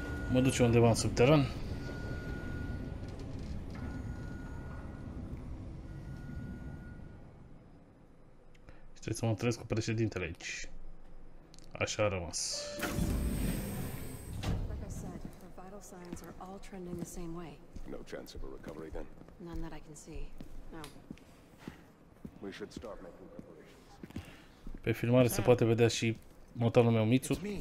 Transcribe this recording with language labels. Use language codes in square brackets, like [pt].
[ro] Mă duce undeva în subteran. Și trebuie să mă întâlnesc cu președintele aici. Așa a rămas. [en] Like I said, the vital signs are all trending the same way. No chance of a recovery then? None that I can see. No. We should start making preparations. [ro] Pe filmare se poate vedea și motorul meu Mitsu.